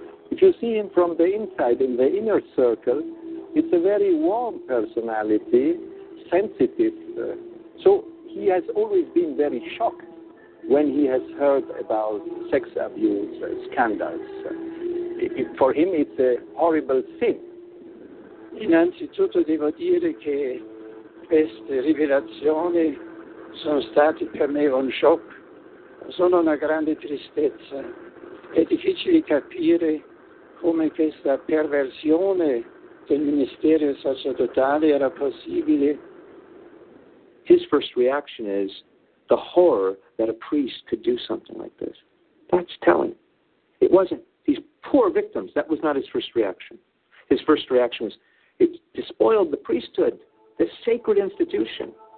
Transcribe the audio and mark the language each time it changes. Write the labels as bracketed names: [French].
[English] If you see him from the inside, in the inner circle, it's a very warm personality, sensitive. So he has always been very shocked when he has heard about sex abuse scandals. For him, it's a horrible sin. [Italian] Innanzitutto devo dire che queste rivelazioni sono state per me un shock. Sono una grande tristezza. È difficile capire come questa perversione del ministero sacerdotale era possibile. [English] His first reaction is the horror that a priest could do something like this. That's telling. It wasn't these poor victims. That was not his first reaction. His first reaction was it despoiled the priesthood, the sacred institution.